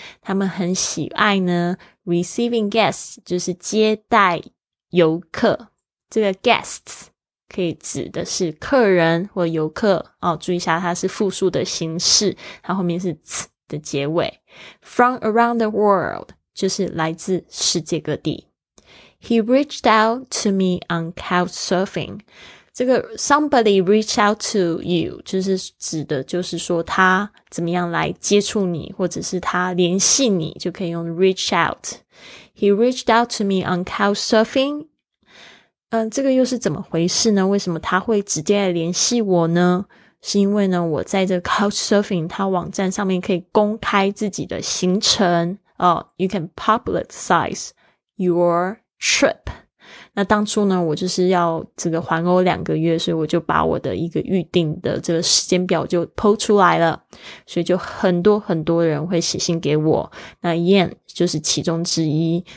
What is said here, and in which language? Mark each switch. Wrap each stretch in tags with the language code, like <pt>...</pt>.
<zh>他们很喜爱呢 receiving guests, 就是接待游客。这个 guests 可以指的是客人或游客。注意一下它是复数的形式，它后面是 t 的结尾。 From around the world, 就是来自世界各地。</zh> <en>He reached out to me on couchsurfing.</en> <zh>这个 somebody reach out to you 就是指的就是说他怎么样来接触你，或者是他联系你，就可以用 reach out.</zh> <en>He reached out to me on couchsurfing.</en> <zh>这个又是怎么回事呢？为什么他会直接来联系我呢？是因为呢，我在这 couchsurfing 他网站上面可以公开自己的行程。</zh> <en>You can publicize yourTrip.</en> <zh>那当初呢，我就是要这个环欧两个月，所以我就把我的一个预定的这个时间表就 po 出来了，所以就很多很多人会写信给我，那 Yan 就是其中之一。</zh>